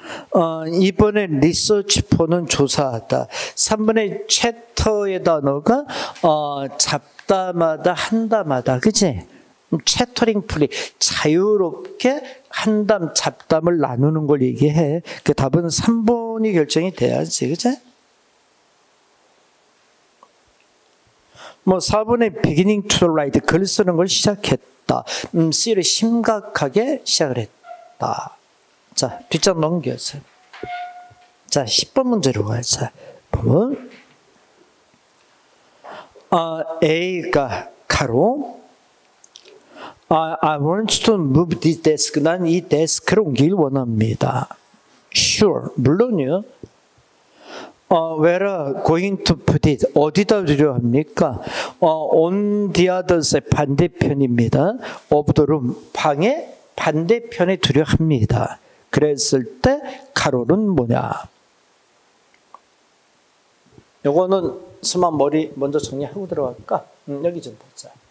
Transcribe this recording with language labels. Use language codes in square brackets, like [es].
[ko] 2번의 리서치 포는 조사하다. 3번의 채터의 단어가 잡담하다, 한담하다. 그치? 채터링 플리. 자유롭게 한담, 잡담을 나누는 걸 얘기해. 그 답은 3번이 결정이 돼야지. 그치? 뭐 4번의 [en] beginning to write. [ko] 글 쓰는 걸 시작했다. C를 심각하게 시작을 했다. 자, 뒷장 넘겨서. 자, 10번 문제로 가자. 보면, A가 가로, [en] I want to move this desk. [ko] 난 이 데스크를 옮길 원합니다. [en] Sure. [ko] 물론요. [en] Where are going to put it? [ko] 어디다 두려 합니까? [en] On the other side, [ko] 반대편입니다. [en] Of the room, [ko] 방의 반대편에 두려 합니다. 그랬을 때 가로는 뭐냐? 요거는 수만 머리 먼저 정리하고 들어갈까? 여기 좀 보자.